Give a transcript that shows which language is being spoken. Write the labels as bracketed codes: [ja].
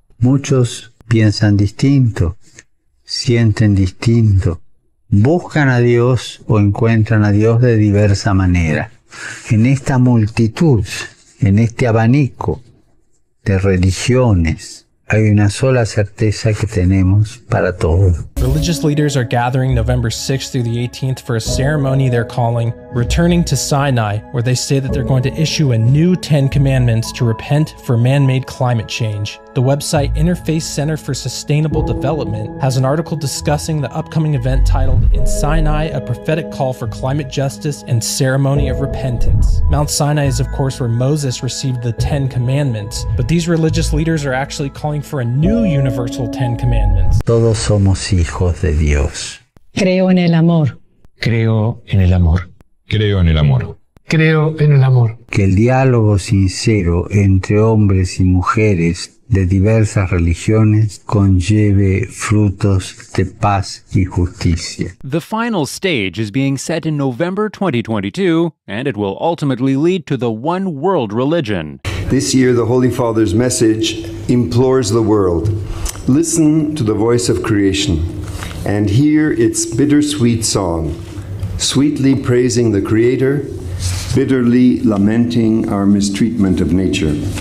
[es] Muchos piensan distinto, sienten distinto, buscan a Dios o encuentran a Dios de diversa manera. En esta multitud, en este abanico de religiones, hay una sola certeza que tenemos para todo. [en] Religious leaders are gathering November 6th through the 18th for a ceremony they're calling Returning to Sinai, where they say that they're going to issue a new Ten Commandments to repent for man-made climate change. The website Interface Center for Sustainable Development has an article discussing the upcoming event titled In Sinai, a Prophetic Call for Climate Justice and Ceremony of Repentance. Mount Sinai is, of course, where Moses received the Ten Commandments, but these religious leaders are actually calling for a new universal Ten Commandments. [es] Todos somos hijos de Dios. Creo en el amor. Creo en el amor. Creo en el amor. Creo en el amor. Que el diálogo sincero entre hombres y mujeres de diversas religiones conlleve frutos de paz y justicia. [en] The final stage is being set in November 2022, and it will ultimately lead to the one world religion. This year, the Holy Father's message implores the world, listen to the voice of creation and hear its bittersweet song, sweetly praising the Creator, bitterly lamenting our mistreatment of nature.